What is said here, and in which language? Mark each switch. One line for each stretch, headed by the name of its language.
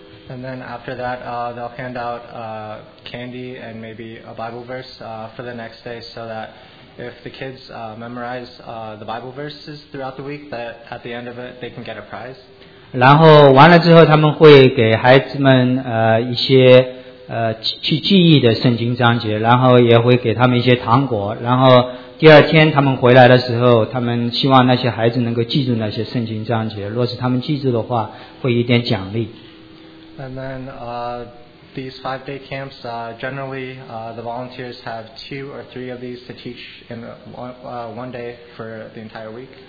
English: And then after that, they'll hand out candy and maybe a Bible verse for the next day, so that if the kids memorize the Bible verses throughout the week, that at the end of it, they can get a prize.
Chinese: 然后完了之后，他们会给孩子们一些去记忆的圣经章节，然后也会给他们一些糖果，然后第二天他们回来的时候，他们希望那些孩子能够记住那些圣经章节，若是他们记住的话，会有一点奖励。
English: And then these 5-day camps generally the volunteers have 2 or 3 of these to teach in one day for the entire week.